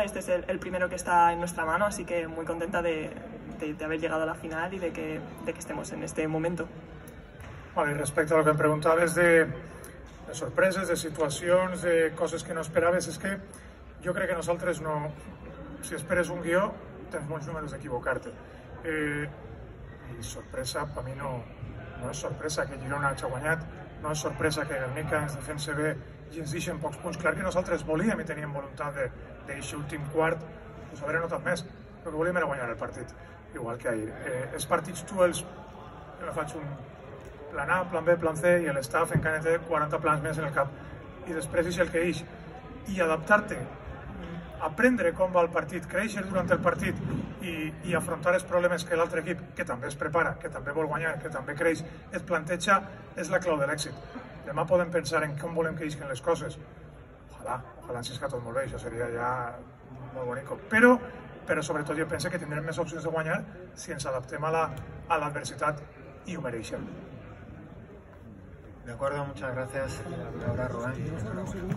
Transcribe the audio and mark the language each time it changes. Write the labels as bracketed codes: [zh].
[es] Este es el primero que está en nuestra mano, así que muy contenta de haber llegado a la final y de que estemos en este momento. Vale, respecto a lo que me preguntabas de sorpresas, de situaciones, de cosas que no esperabas, es que yo creo que nosotros no... [ca] Si esperes un guió, tens molts números d'equivocar-te. I sorpresa, per mi no és sorpresa que Girona hagi guanyat, no és sorpresa que Guernica ens defensa bé i ens deixa en pocs punts. Clar que nosaltres volíem i teníem voluntat d'eixir últim quart, us haurem notat més, però que volíem era guanyar el partit, igual que ahir. Els partits tu els... Jo faig un plan A, plan B, plan C, i l'estaf encara té 40 plans més en el cap. I després és el que eix. I adaptar-te, aprendre com va el partit, créixer durant el partit i afrontar els problemes que l'altre equip, que també es prepara, que també vol guanyar, que també creix, et planteja, és la clau de l'èxit. Demà podem pensar en com volem que isquen les coses. Ojalà ens isca tot molt bé, això seria ja molt bonic. Però sobretot jo penso que tindrem més opcions de guanyar si ens adaptem a l'adversitat i ho mereixem. [es] De acuerdo, muchas gracias. Laura, Rubén.